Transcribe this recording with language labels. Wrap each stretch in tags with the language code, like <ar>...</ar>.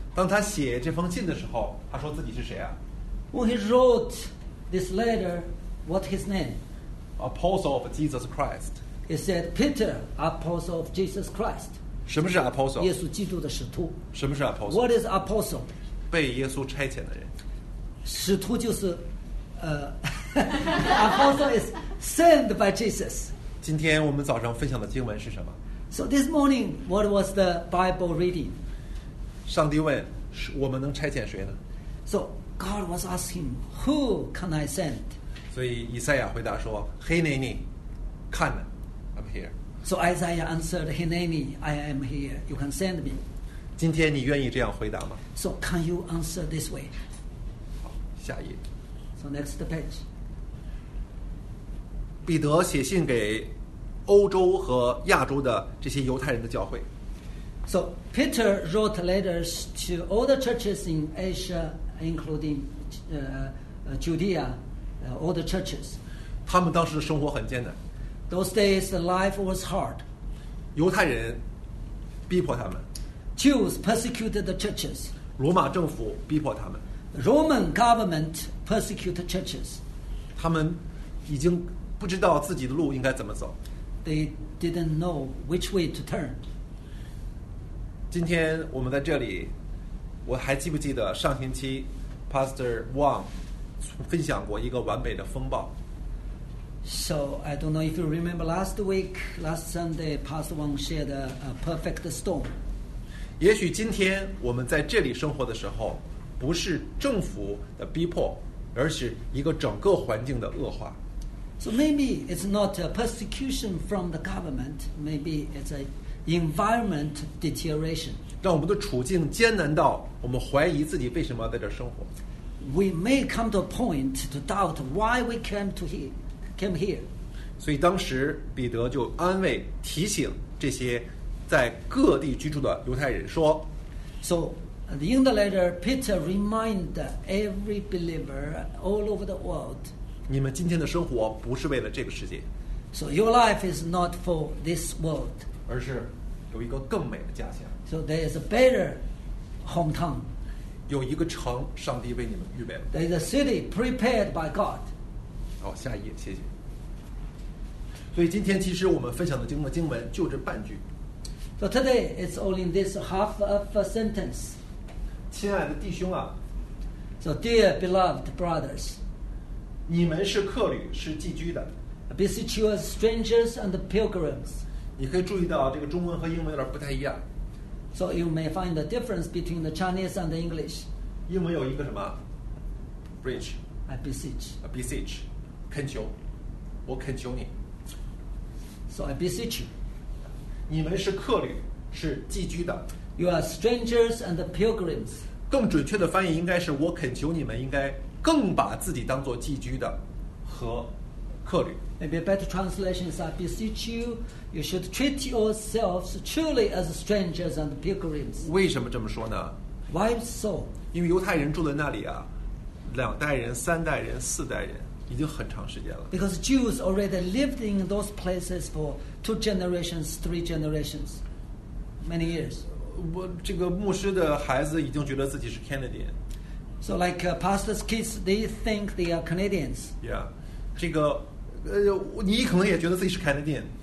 <zh>当他写这封信的时候，他说自己是谁啊？</zh> <en>When he wrote this letter, what his name? Apostle of Jesus Christ. He said, Peter, apostle of Jesus Christ.</en> <zh>什么是 apostle? 耶稣基督的使徒。什么是 apostle?</zh> <en>What is apostle?</en> <zh>被耶稣差遣的人。使徒就是</zh> <en>apostle is sent by Jesus.</en> <zh>今天我们早上分享的经文是什么？</zh> <en>So this morning, what was the Bible reading?</en> <zh>上帝问，我们能差遣谁呢？</zh> <en>So God was asking, who can I send?</en> <zh>所以以赛亚回答说，嘿内尼，看呢。</zh> <en>Here. So Isaiah answered, "Hineni, I am here. You can send me."</en> <zh>今天你愿意这样回答吗？</zh> <en>So can you answer this way?</en> <zh>好，下一页。</zh> <en>So next page.</en> <zh>彼得写信给欧洲和亚洲的这些犹太人的教会。</zh> <en>So Peter wrote letters to all the churches in Asia, including Judea, all the churches.</en> <zh>他们当时的生活很艰难。</zh> <en>Those days, the life was hard.</en> <zh>犹太人逼迫他们。</zh> <en>Jews persecuted the churches.</en> <zh>罗马政府逼迫他们。</zh> <en>Roman government persecuted churches.</en> <zh>他们已经不知道自己的路应该怎么走。</zh> <en>They didn't know which way to turn.</en> <zh>今天我们在这里，我还记不记得上星期 Pastor Wang 分享过一个完美的风暴。</zh> <en>So I don't know if you remember last week, last Sunday, Pastor Wang shared a perfect storm.</en> <zh>也许今天我们在这里生活的时候，不是政府的逼迫，而是一个整个环境的恶化。</zh> <en>So maybe it's not a persecution from the government, maybe it's an environment deterioration.</en> <zh>让我们的处境艰难到我们怀疑自己为什么在这生活。</zh> <en>We may come to a point to doubt why we came here.</en> <zh>所以当时彼得就安慰提醒这些在各地居住的犹太人说。</zh> <en>So in the letter, Peter reminded every believer all over the world.</en> <zh>你们今天的生活不是为了这个世界。</zh> <en>So your life is not for this world.</en> <zh>而是有一个更美的家乡。</zh> <en>So there is a better hometown.</en> <zh>有一个城上帝为你们预备了。</zh> <en>There is a city prepared by God.</en> <zh>好，下一页，谢谢。所以今天其实我们分享的经文就这半句。</zh> <en>So today it's all in this half of a sentence.</en> <zh>亲爱的弟兄啊。</zh> <en>So dear beloved brothers.</en> <zh>你们是客旅，是寄居的。</zh> <en>I beseech you as strangers and pilgrims.</en> <zh>你可以注意到这个中文和英文有点不太一样。</zh> <en>So you may find the difference between the Chinese and the English.</en> <zh>英文有一个什么 ？Bridge.</zh> <en>I beseech. I beseech.</en> <zh>恳求，我恳求你。</zh> <en>So I beseech you.</en> <zh>你们是客旅，是寄居的。</zh> <en>You are strangers and pilgrims.</en> <zh>更准确的翻译应该是，我恳求你们应该更把自己当作寄居的和客旅。</zh> <en>Maybe a better translation is I beseech you, you should treat yourselves truly as strangers and pilgrims.</en> <zh>为什么这么说呢</zh> <en>？Why so?</en> <zh>因为犹太人住在那里啊，两代人、三代人、四代人。已经很长时间了。</zh> <en>Because Jews already lived in those places for two generations, three generations, many years.</en> <zh>我这个牧师的孩子已经觉得自己是 Canadian.</zh> <en>So like pastor's kids, they think they are Canadians.</en> <zh>Yeah, 这个你可能也觉得自己是 Canadian.</zh>